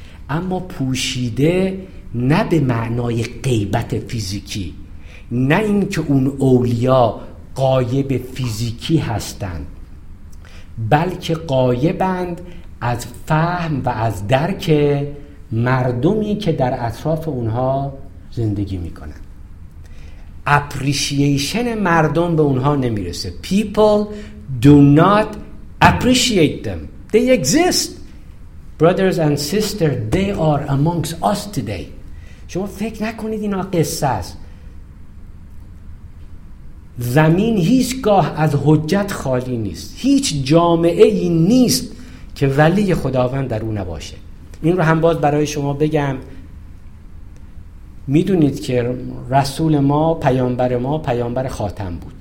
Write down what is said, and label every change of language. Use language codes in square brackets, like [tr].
[fa] اما پوشیده نه به معنای غیبت فیزیکی، نه اینکه اون اولیا غایب فیزیکی هستند، بلکه غایبند از فهم و از درک مردمی که در اطراف اونها زندگی میکنن. اپریشیشن مردم به اونها نمیرسه. [en] People do not appreciate them. They exist. Brothers and sisters, they are amongst us today. [fa] شما فکر نکنید اینا قصه است. زمین هیچگاه از حجت خالی نیست. هیچ جامعه ای نیست که ولی خداوند در او نباشه. این رو هم باز برای شما بگم. میدونید که رسول ما، پیامبر ما، پیامبر خاتم بود.